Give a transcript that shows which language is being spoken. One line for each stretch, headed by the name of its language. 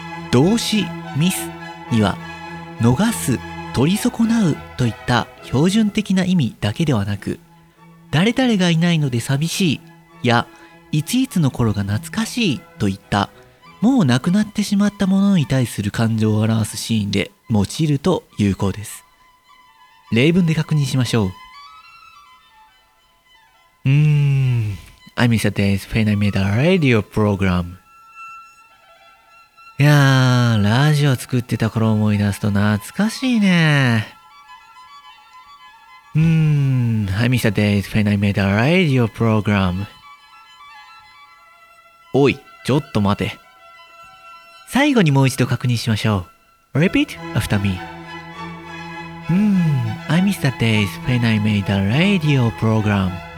Japanese: 動詞ミスには逃す、取り損なうといった標準的な意味だけではなく、誰々がいないので寂しいやいついつの頃が懐かしいといったもうなくなってしまったものに対する感情を表すシーンで用いると有効です。例文で確認しましょう。
English: I miss a day's when I made a radio program.
Japanese: いやー、ラジオ作ってた頃を思い出すと懐かしいね。
English: I miss a day's when I made a radio program.
Japanese: おい、ちょっと待て。最後にもう一度確認しましょう。
English: Repeat after me. I miss the days when I made a radio program.